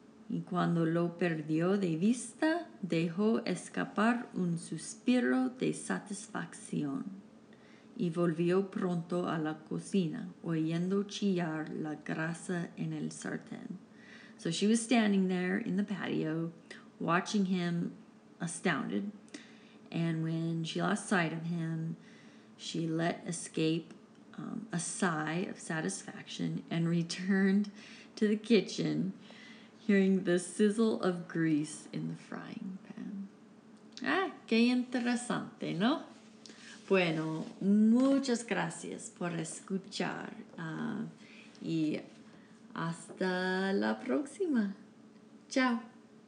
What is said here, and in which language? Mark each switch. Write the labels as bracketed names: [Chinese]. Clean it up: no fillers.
[Spanish] Y cuando lo perdió de vista, dejó escapar un suspiro de satisfacción. Y volvió pronto a la cocina, oyendo chillar la grasa en el sartén. [English] So she was standing there in the patio, watching him, astounded. And when she lost sight of him, she let escape a sigh of satisfaction and returned to the kitchen, hearing the sizzle of grease in the frying pan. [Spanish] Ah, qué interesante, ¿no? Bueno, muchas gracias por escuchar y hasta la próxima. Chao.